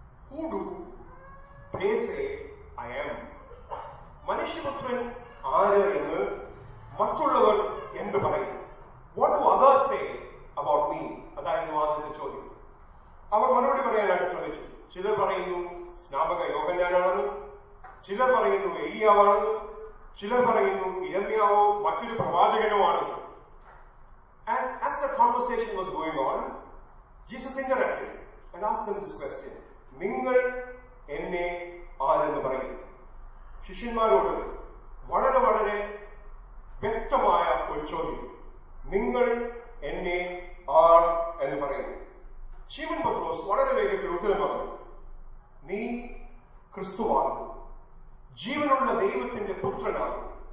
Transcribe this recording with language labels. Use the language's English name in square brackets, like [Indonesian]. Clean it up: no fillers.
[English] Who do they say I am? [Malayalam] മനുഷ്യപുത്രൻ ആര് എന്ന് മറ്റുള്ളവർ എന്ത് പറയും? [English] What do others say about me? [Malayalam] അതായിരുന്നു ആദ്യത്തെ ചോദ്യം. അവർ മറുപടി പറയാം. ഇടങ്ങളിലായിട്ട് ശ്രമിച്ചു. ചിലർ പറയുന്നു സ്നാപക യോഹന്നാനാണെന്നും, ചിലർ പറയുന്നു എലിയാവാണെന്നും, ചിലർ പറയുന്നു യിരമ്യാവോ മറ്റൊരു പ്രവാചകനോ ആണെന്നും. [English] And as the conversation was going on, Jesus interrupted and asked them this question. [Malayalam] നിങ്ങൾ എന്നെ ആരെന്ന് പറയുന്നു? ശിഷ്യന്മാരോട് വളരെ വളരെ വ്യക്തമായ ഒരു ചോദ്യം, നിങ്ങൾ എന്നെ ആർ എന്ന് പറയുന്നു. ശിമോൻ പത്രോസ് വളരെ വേഗത്തിൽ ഉത്തരം പറഞ്ഞു, നീ ക്രിസ്തുവാണ്, ജീവനുള്ള ദൈവത്തിന്റെ പുത്രനാകുന്നു.